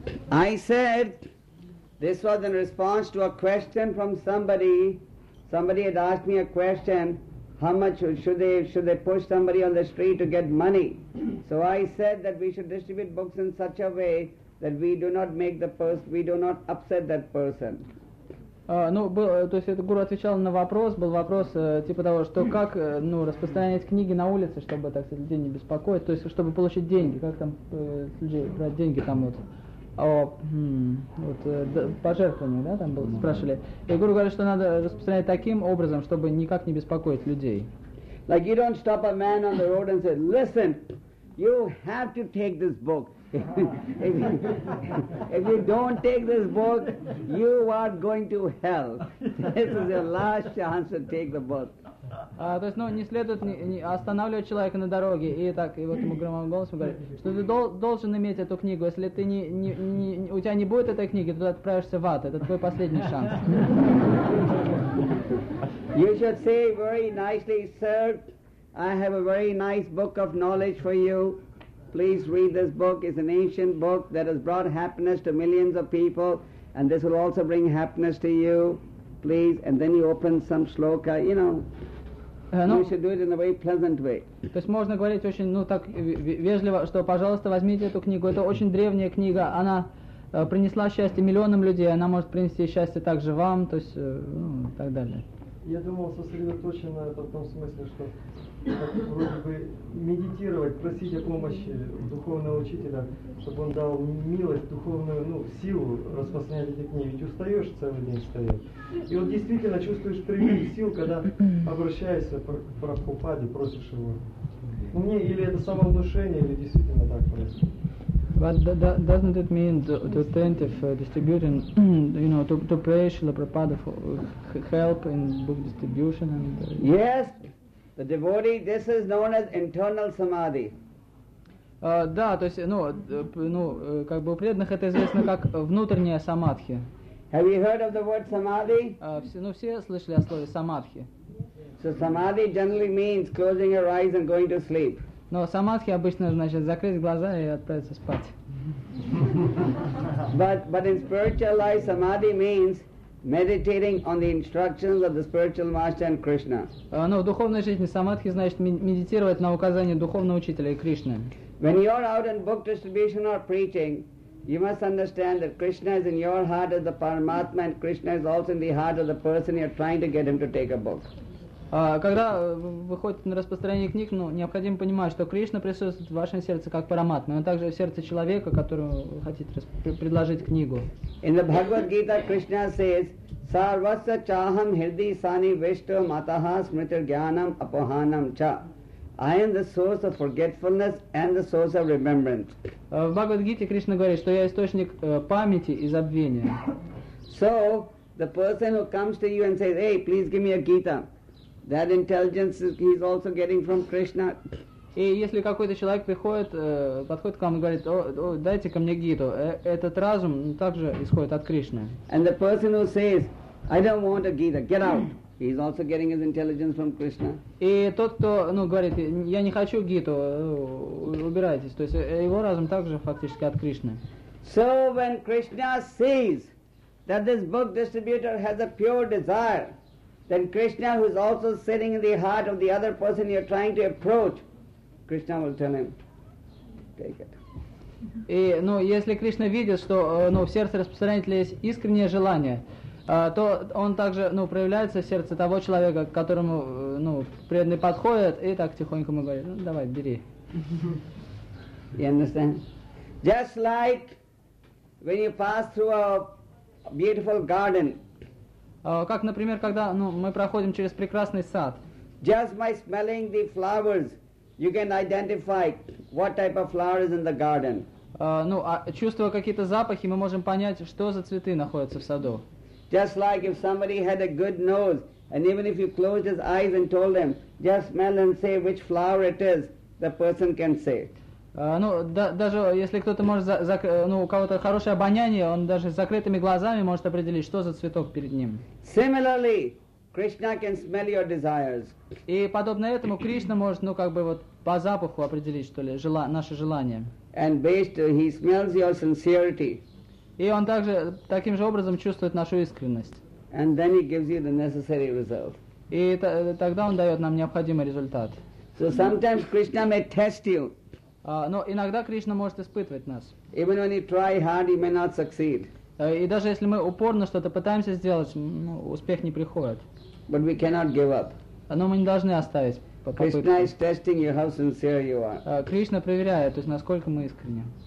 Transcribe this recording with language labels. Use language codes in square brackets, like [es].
[en] I said, this was in response to a question from somebody. Somebody had asked me a question, how much should they push somebody on the street to get money? So I said that we should distribute books in such a way that we do not make the person, we do not upset that person. [ru] Гуру отвечал на вопрос, был вопрос типа того, что как распространять книги на улице, чтобы, так сказать, людей не беспокоить, то есть чтобы получить деньги, как там людей брать деньги там пожертвования, да, там был, спрашивали. И Гуру говорит, что надо распространять таким образом, чтобы никак не беспокоить людей. [en] Like you don't stop a man on the road and say, listen, you have to take this book. if you don't take this book, you are going to hell. This is your last chance to take the book. [ru] А, то есть, ну, не следует не останавливать человека на дороге и так, и вот ему громовым голосом говорит, что ты должен иметь эту книгу. Если ты не у тебя не будет этой книги, то ты отправишься в ад. Это твой последний шанс. [en] You should say very nicely, sir, I have a very nice book of knowledge for you. Please read this book. It's an ancient book that has brought happiness to millions of people, and this will also bring happiness to you. Please, and then you open some shloka, you know. You should do it in a very pleasant way. [ru] То есть можно говорить очень, ну так вежливо, что пожалуйста, возьмите эту книгу. Это очень древняя книга. Она принесла счастье миллионам людей. Она может принести счастье также вам. То есть, ну, так далее. Я думал сосредоточенно это в том смысле, что как, вроде бы медитировать, просить о помощи духовного учителя, чтобы он дал милость, духовную, ну, силу распространять эти книги. Ведь устаешь целый день стоять. И вот действительно чувствуешь прилив сил, когда обращаешься к Прабхупаде, просишь его. Мне или это самовнушение, или действительно так просишь. [en] But doesn't it mean to attend if distributing, you know, to pray Srila Prabhupada for help in book distribution and... Yes, the devotee, this is known as internal samadhi. [ru] Да, то есть, ну, ну, как бы у преданных это известно как внутренняя самадхи. [en] Have you heard of the word samadhi? [ru] Ну, все слышали о слове самадхи. [en] So samadhi generally means closing your eyes and going to sleep. [ru] Но самадхи обычно значит закрыть глаза и отправиться спать. [en] But in spiritual life, samadhi means meditating on the instructions of the spiritual master and Krishna. [ru] Но в духовной жизни самадхи значит медитировать на указания духовного учителя и Кришны. [en] When you are out in book distribution or preaching, you must understand that Krishna is in your heart as the Paramatma, and Krishna is also in the heart of the person you are trying to get him to take a book. [ru] Когда выходите на распространение книг, ну, необходимо понимать, что Кришна присутствует в вашем сердце как параматма, но также в сердце человека, которому вы хотите предложить книгу. [en] In the Bhagavad Gita, Krishna says, [sa] Sarvasya chaham hirdi sani vishto mataha smritir jnanam apohanam cha. [en] I am the source of forgetfulness and the source of remembrance. [ru] В Bhagavad Gita Krishna говорит, что я источник памяти и забвения. [en] So, the person who comes to you and says, hey, please give me a Gita. That intelligence he is also getting from Krishna. [ru] И если какой-то человек приходит, подходит к вам и говорит, о, дайте ко мне гиту, этот разум также исходит от Кришны. [en] And the person who says, I don't want a gita, get out. He is also getting his intelligence from Krishna. [ru] И тот, кто, ну, говорит, я не хочу гиту, убирайтесь. То есть его разум также фактически от Кришны. [en] So when Krishna sees that this book distributor has a pure desire. Then Krishna, who is also sitting in the heart of the other person you are trying to approach, Krishna will tell him, take it. [ru] И, ну, если Кришна видит, что, ну, в сердце распространителя есть искреннее желание, то он также, ну, проявляется в сердце того человека, к которому, ну, преданный подходит, и так тихонько ему говорит, ну, давай, бери. [en] You understand? Just like when you pass through a beautiful garden, [ru] как, например, когда, ну, мы проходим через прекрасный сад. [en] Just by smelling the flowers, you can identify what type of flower is in the garden. [ru] Ну, чувствуя какие-то запахи, мы можем понять, что за цветы находятся в саду. [en] Just like if somebody had a good nose, and even if you closed his eyes and told him, just smell and say which flower it is, the person can say. [ru] Ну, даже если кто-то может, ну, у кого-то хорошее обоняние, он даже с закрытыми глазами может определить, что за цветок перед ним. [en] Similarly, Krishna can smell your desires. [ru] И подобно этому Кришна может, ну, как бы вот по запаху определить, что ли, наше желание. [en] And based, he smells your sincerity. [ru] И он также таким же образом чувствует нашу искренность. [en] And then he gives you the necessary result. [ru] И тогда он дает нам необходимый результат. [en] So sometimes Krishna may test you. [ru] Но иногда Кришна может испытывать нас. [en] Even when you try hard, you may not succeed. [ru] И даже если мы упорно что-то пытаемся сделать, ну, успех не приходит. [en] But we cannot give up. [ru] Но мы не должны оставить попытки. [en] Krishna is testing you, how sincere you are. [ru] Кришна проверяет, то есть насколько мы искренни.